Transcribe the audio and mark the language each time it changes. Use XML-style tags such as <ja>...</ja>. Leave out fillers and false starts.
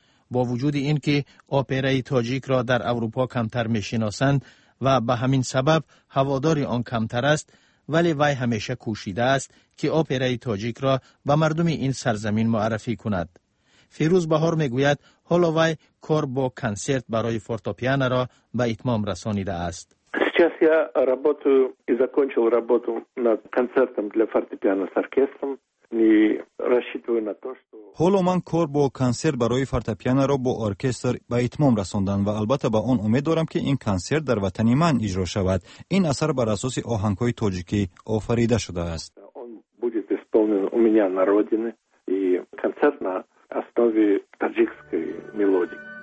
<fa>با وجود این که اپرای تاجیک را در اروپا کمتر می شناسند و به همین سبب هواداری آن کمتر است، ولی وی همیشه کوشیده است که اپرای تاجیک را به مردم این سرزمین معرفی کند. فیروز بهار می گوید حالا وی کار با کنسرت برای فورتوپیانا را به اتمام رسانیده است.</fa> <ru>Сейчас я работаю и закончил работу над концертом для фортепиано с оркестром и рассчитываю на то, что</ru> <tg>Холо ман кор бо концерт барои фортепиано ро бо оркестр ба итмом расондан ва албатта ба он умед дорам ки ин концерт дар ватани ман иҷро шавад. Ин асар бар асоси оҳангҳои тоҷикӣ офарида шудааст.</tg> <ru>Он будет исполнен у меня на родине и концерт на основе таджикской мелодии.</ru>